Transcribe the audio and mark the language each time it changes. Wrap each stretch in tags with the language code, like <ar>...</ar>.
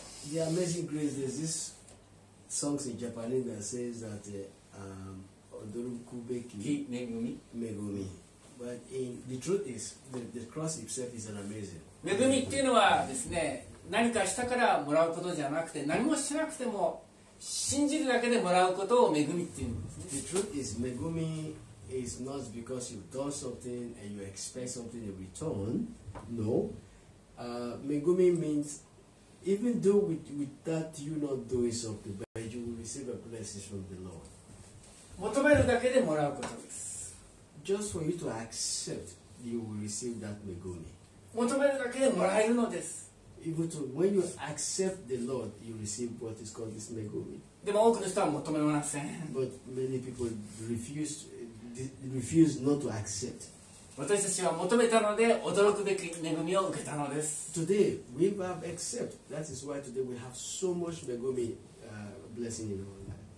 <en>The Amazing Grace, there's this song in Japanese that says that</en> <ja>odoruku beki megumi.</ja> <en>But in, the truth is, the cross itself is an amazing.</en> <ja>Megumi っていうのはですね、何かしたからもらうことじゃなくて、何もしなくても信じるだけでもらうことを megumi っていうんですね。</ja> <en>The truth is, megumi is not because you've done something and you expect something in return. No. Megumi means even though with that you not doing something, but you will receive a blessing from the Lord.</en> <ja>求めるだけでもらうことです。</ja> <en>Just for you to accept, you will receive that megumi.</en> <ja>求めるだけでもらえるのです。</ja> <en>Even to, when you accept the Lord, you receive what is called this megumi.</en> <ja>でも多くの人は求めません。</ja> <en>But many people refuse not to accept.</en> <ja>私たちは求めたので驚くべき恵みを受けたのです。</ja> <en>Today we have accept. That is why today we have so much megumi blessing in our life.</en>